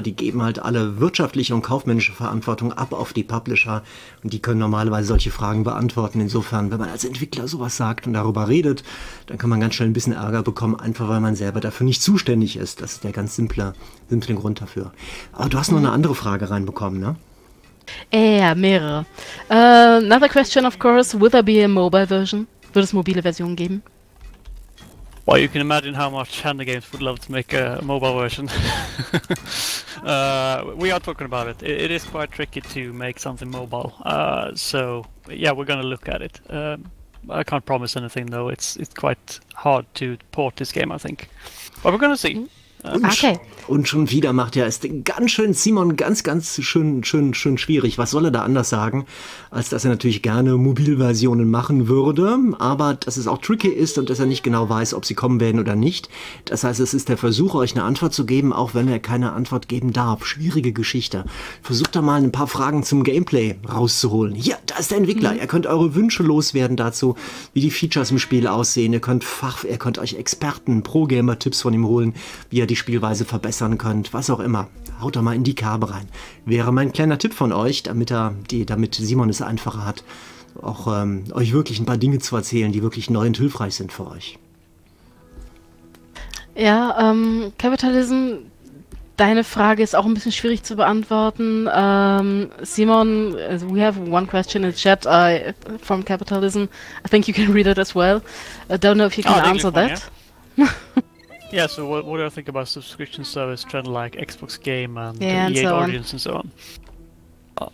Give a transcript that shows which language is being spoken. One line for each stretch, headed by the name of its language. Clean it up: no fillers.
German: Die geben halt alle wirtschaftliche und kaufmännische Verantwortung ab auf die Publisher und die können normalerweise solche Fragen beantworten. Insofern, wenn man als Entwickler sowas sagt und darüber redet, dann kann man ganz schnell ein bisschen Ärger bekommen, einfach weil man selber dafür nicht zuständig ist. Das ist der ganz simple Grund dafür. Aber du hast noch eine andere Frage reinbekommen, ne? Ja, mehrere.
English: Another question, of course, will there be a mobile version?
German: Wird es mobile Versionen geben?
English: Well, you can imagine how much Handy Games would love to make a mobile version. we are talking about it. It is quite tricky to make something mobile. So, yeah, we're going to look at it. I can't promise anything, though. It's quite hard to port this game, I think. But we're going to see.
German: Und schon wieder macht er es ganz schön, Simon, ganz, ganz schön schwierig. Was soll er da anders sagen, als dass er natürlich gerne Mobilversionen machen würde, aber dass es auch tricky ist und dass er nicht genau weiß, ob sie kommen werden oder nicht. Das heißt, es ist der Versuch, euch eine Antwort zu geben, auch wenn er keine Antwort geben darf. Schwierige Geschichte. Versucht da mal ein paar Fragen zum Gameplay rauszuholen. Ja, da ist der Entwickler. Ihr könnt eure Wünsche loswerden dazu, wie die Features im Spiel aussehen. Ihr könnt euch Experten, Pro-Gamer-Tipps von ihm holen, wie er die Spielweise verbessern könnt, was auch immer. Haut doch mal in die Kerbe rein. Wäre mein kleiner Tipp von euch, damit Simon es einfacher hat, auch euch wirklich ein paar Dinge zu erzählen, die wirklich neu und hilfreich sind für euch. Ja, Capitalism, deine Frage ist auch ein bisschen schwierig zu beantworten.
English: Simon, we have one question in the chat from Capitalism. I think you can read it as well. I don't know if you can answer that. Yeah. Yeah, so what do I think about subscription service trend like Xbox Game and EA and so Origins on. And so on?